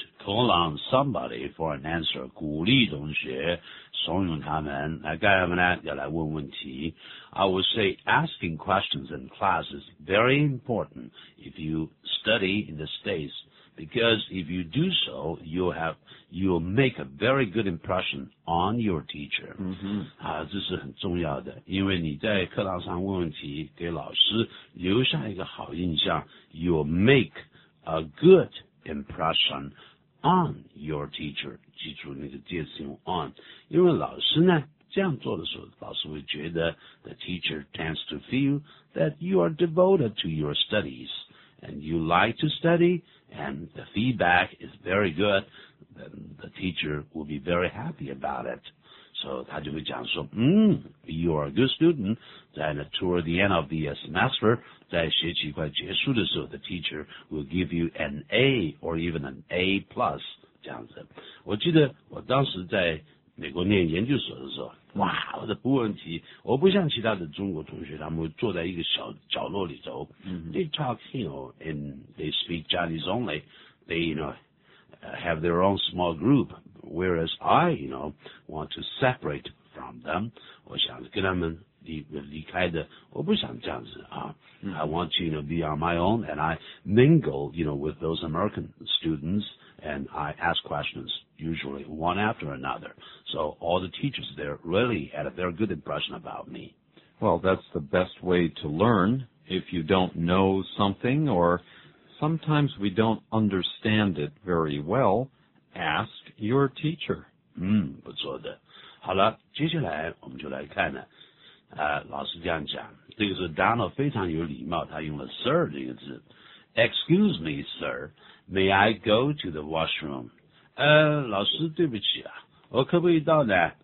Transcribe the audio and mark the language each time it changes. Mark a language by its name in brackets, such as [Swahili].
[English] call on somebody for an answer， [Chinese] 鼓励同学，怂恿他们来干什么呢？要来问问题。 [English] I would say asking questions in class is very important if you study in the States, because if you do so, you'll make a very good impression on your teacher.、 Mm-hmm. [Chinese] 啊，这是很重要的，因为你在课堂上问问题，给老师留下一个好印象。 [English] You'll make a good impression. On your teacher， [Chinese] 记住那个介词用 on，因为老师呢这样做的时候，老师会觉得 [English] the teacher tends to feel that you are devoted to your studies and you like to study and the feedback is very good， then the teacher will be very happy about it。 So [Chinese] 他就会讲说， [English] you are a good student。 Then toward the end of the semester， [Chinese] 在学期快结束的时候， [English] the teacher will give you an A or even an A plus [Chinese] 这样子。我记得我当时在美国念研究所的时候，哇，我的不问题，我不像其他的中国同学，他们坐在一个小角落里头、 [English] they talk and they speak Chinese only， they you know have their own small group。 Whereas I, you know, want to separate from them. [Chinese] 我想跟他们离开的，我不想这样子啊。 [English] I want to, you know, be on my own, and I mingle, you know, with those American students, and I ask questions, usually one after another. So all the teachers there really had a very good impression about me. Well, that's the best way to learn. If you don't know something, or sometimes we don't understand it very well,Ask your teacher. [Chinese] 不错的。好了，接下来我们就来看呢。老师这样讲，这个是 Donald 非常有礼貌，他用了 Sir 这个字。 [English] Excuse me, sir. May I go to the washroom? [Chinese] 老师对不起啊，我可不可以到呢？